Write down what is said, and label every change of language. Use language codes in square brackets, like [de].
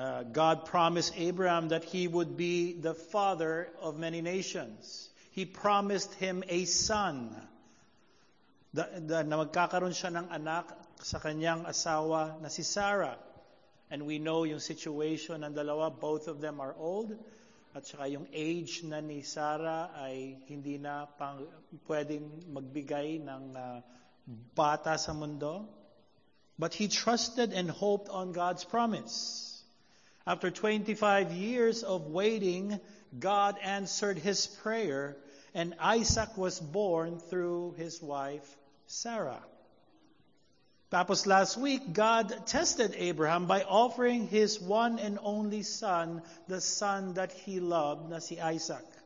[en] God promised Abraham that he would be the father of many nations. He promised him a son, [tl] na magkakaroon siya ng anak sa kanyang asawa na si Sarah. [en] And we know [tl] yung situation ng dalawa, [en] both of them are old. [tl] At saka yung age na ni Sarah ay hindi na pwedeng magbigay ng bata sa mundo. [en] But he trusted and hoped on God's promise. After 25 years of waiting, God answered his prayer and Isaac was born through his wife, Sarah. Tapos last week, God tested Abraham by offering his one and only son, the son that he loved, [tl] na si Isaac.